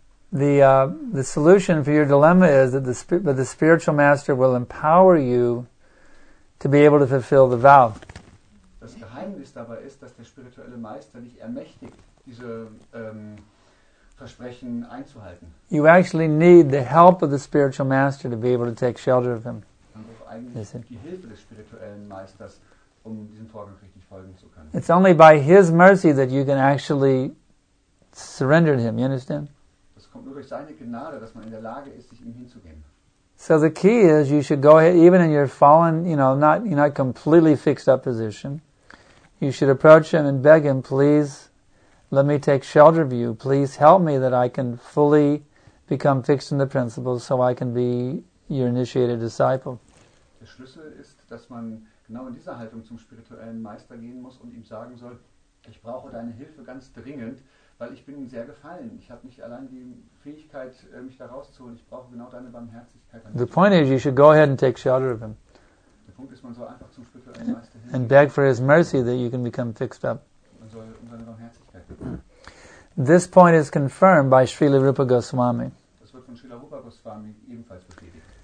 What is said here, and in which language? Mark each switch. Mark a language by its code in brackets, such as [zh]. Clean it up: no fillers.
[en] The solution for your dilemma is that the spiritual master will empower you to be able to fulfill the vow. [de] Das Geheimnis dabei ist, dass der spirituelle Meister dich ermächtigt, diese Versprechen einzuhalten. [en] You actually need the help of the spiritual master to be able to take shelter of them. [de] Man braucht eigentlich die Hilfe des spirituellen Meisters, um diesem Vorgang richtig folgen zu können. [en] It's only by his mercy that you can actually surrender to him, you understand? [de] Das kommt nur durch seine Gnade, dass man in der Lage ist, sich ihm hinzugeben. [en] So the key is you should go ahead, even in your fallen, you know, not completely fixed up position, you should approach him and beg him, please let me take shelter of you. Please help me that I can fully become fixed in the principles so I can be your initiated disciple. [de] Der Schlüssel ist, dass man genau in dieser Haltung zum spirituellen Meister gehen muss und ihm sagen soll, ich brauche deine Hilfe ganz dringend, weil ich bin sehr gefallen. Ich habe nicht allein die Fähigkeit, mich da rauszuholen. Ich brauche genau deine Barmherzigkeit. [en] The point is, you should go ahead and take shelter of him. [de] Der Punkt ist, man soll einfach zum spirituellen Meister hin. [en] And beg for his mercy that you can become fixed up. [de] Man soll um seine Barmherzigkeit bitten. [en] This point is confirmed by Srila Rupa Goswami. [de] Das wird von Srila Rupa Goswami ebenfalls bestätigt.